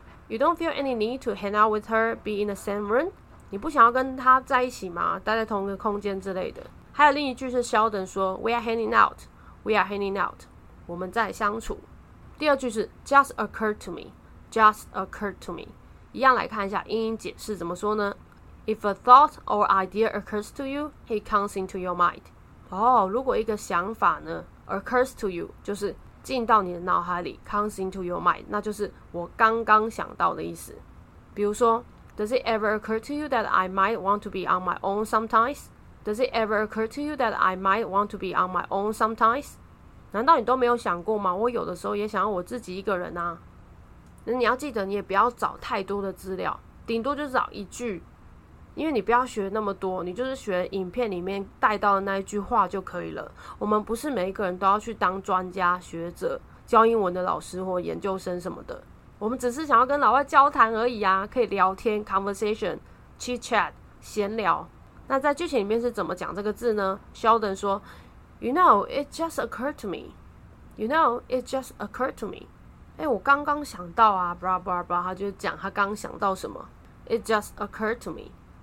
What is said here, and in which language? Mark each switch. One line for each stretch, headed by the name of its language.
English: You don't feel any need to hang out with her, be in the same room?
Chinese: 你不想要跟他在一起吗？待在同一个空间之类的。还有另一句是 Sheldon 说
English: We are hanging out, we are hanging out.
Chinese: 我们在相处。
English: 第二句是 Just occurred to me, just occurred to me.
Chinese: 一样来看一下英英解释怎么说呢
English: ？If a thought or idea occurs to you, it comes into your mind.
Chinese: 哦，如果一个想法呢
English: occurs to you，
Chinese: 就是进到你的脑海里 ，
English: comes into your mind，
Chinese: 那就是我刚刚想到的意思。比如说
English: ，Does it ever occur to you that I might want to be on my own sometimes? Does it ever occur to you that I might want to be on my own sometimes?
Chinese: 难道你都没有想过吗？我有的时候也想要我自己一个人啊。那你要记得，你也不要找太多的资料，顶多就找一句，因为你不要学那么多，你就是学影片里面带到的那一句话就可以了。我们不是每一个人都要去当专家学者，教英文的老师或研究生什么的，我们只是想要跟老外交谈而已啊，可以聊天 conversation chit chat 闲聊。那在剧情里面是怎么讲这个字呢？
English: Sheldon 说 You know it just occurred to me You know it just occurred to me欸，
Chinese: 我刚刚想到啊
English: blah blah blah，
Chinese: 他就讲他刚想到什么
English: It just occurred to me。